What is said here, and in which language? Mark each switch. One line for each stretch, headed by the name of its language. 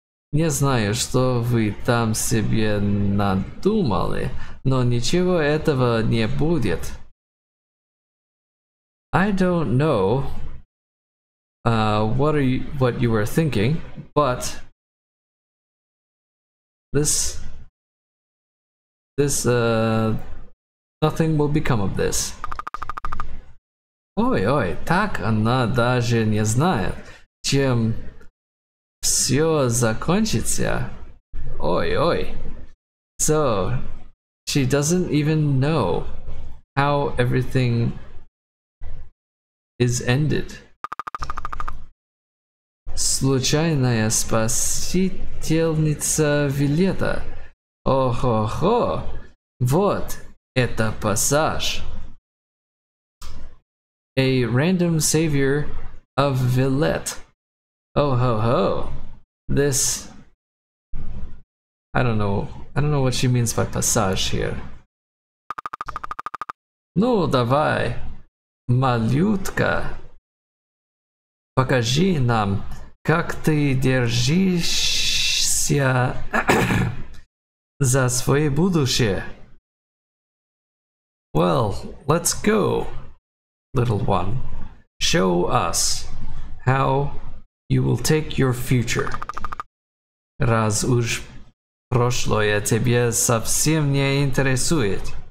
Russian: Не знаю, что вы там себе надумали, но ничего этого не будет.
English: I don't know what you were thinking, but nothing will become of this.
Russian: Ой-ой, так она даже не знает, чем все закончится. Ой-ой.
English: So, she doesn't even know how everything is ended.
Russian: Случайная спасительница Вилета. О-хо-хо. Вот это пассаж.
English: A random savior of Villette. Oh ho ho. This, I don't know what she means by passage here.
Russian: Ну давай, малютка, покажи нам, как ты держишься за свое будущее.
English: Well, let's go. Little one, show us how you will take your future.
Russian: Раз уж прошлое тебе совсем не интересует.